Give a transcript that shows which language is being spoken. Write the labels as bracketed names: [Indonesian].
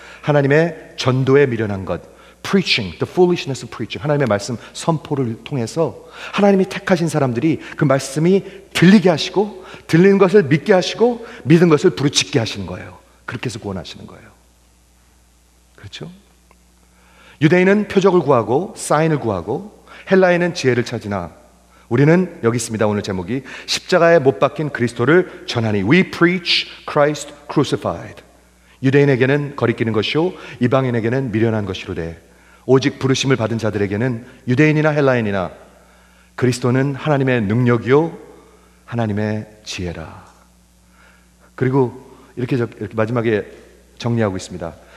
[Korean] 하나님의 전도에 미련한 것, [English] preaching, the foolishness of preaching, [Korean] 하나님의 말씀 선포를 통해서 하나님이 택하신 사람들이 그 말씀이 들리게 하시고, 들리는 것을 믿게 하시고, 믿은 것을 부르짖게 하시는 거예요. 그렇게 해서 구원하시는 거예요. 그렇죠? 유대인은 표적을 구하고 사인을 구하고, 헬라인은 지혜를 찾으나 우리는, 여기 있습니다 오늘 제목이, 십자가에 못 박힌 그리스도를 전하니. [English] We preach Christ crucified. [Korean] 유대인에게는 거리끼는 것이요, 이방인에게는 미련한 것이로되, 오직 부르심을 받은 자들에게는 유대인이나 헬라인이나 그리스도는 하나님의 능력이요 하나님의 지혜라. 그리고 이렇게 마지막에 정리하고 있습니다.